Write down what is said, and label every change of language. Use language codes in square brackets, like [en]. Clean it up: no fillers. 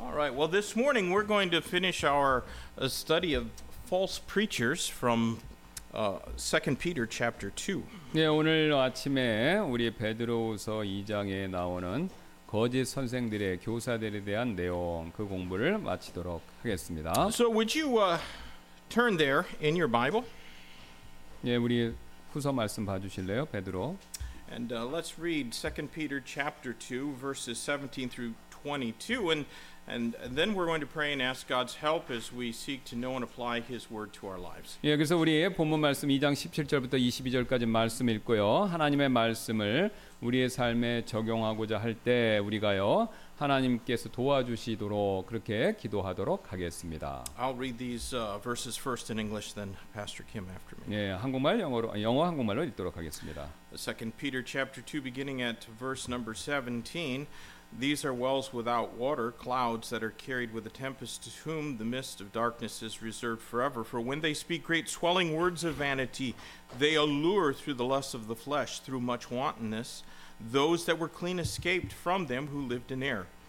[en] Well, this morning we're going to finish our study of false preachers from 2 Peter chapter 2. [ko] 네, 오늘 아침에 우리 베드로후서 2장에 나오는 거짓 선생들의 교사들에 대한 내용 그 공부를 마치도록 하겠습니다. [en] So would you turn there in your Bible? [ko] 네, 우리 후서 말씀 봐주실래요, 베드로? [en] And let's read 2 Peter chapter 2 verses 17 through 22 and then we're going to pray and ask God's help as we seek to know and apply His word to our lives. [ko] 예, 그래서 우리 본문 말씀 2장 17절부터 22절까지 말씀 읽고요. 하나님의 말씀을 우리의 삶에 적용하고자 할 때 우리가요 하나님께서 도와주시도록 그렇게 기도하도록 하겠습니다. [en] I'll read these verses first in English, then Pastor Kim after me. [ko] 예, 한국말 영어로 영어 한국말로 읽도록 하겠습니다. [en] 2 Peter chapter 2, beginning at verse number 17. These are wells without water, clouds that are carried with a tempest, to whom the mist of darkness is reserved forever. For when they speak great swelling words of vanity, they allure through the lust of the flesh, through much wantonness, those that were clean escaped from them who lived in error.